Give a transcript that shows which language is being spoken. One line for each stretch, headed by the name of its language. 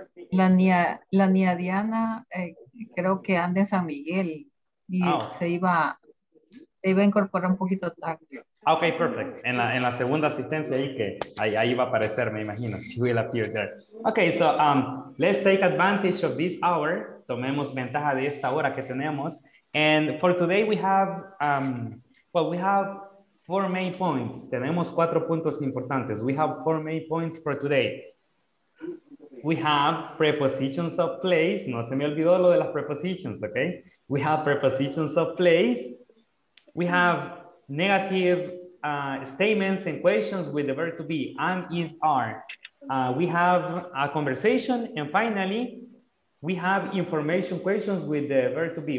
Spanish: La niña Diana, creo que anda en San Miguel y se iba a incorporar un poquito tarde.
English: Okay, perfect.
Spanish: En la segunda asistencia ahí que ahí va a aparecer, me imagino.
English: She will appear there. Okay, so let's take advantage of this hour.
Spanish: Tomemos ventaja de esta hora que tenemos.
English: And for today we have we have 4 main points.
Spanish: Tenemos 4 puntos importantes.
English: We have 4 main points for today. We have prepositions of place.
Spanish: No se me olvidó lo de las prepositions, okay?
English: We have prepositions of place. We have negative statements and questions with the verb to be. Am, is, are. We have a conversation. And finally, we have information questions with the verb to be.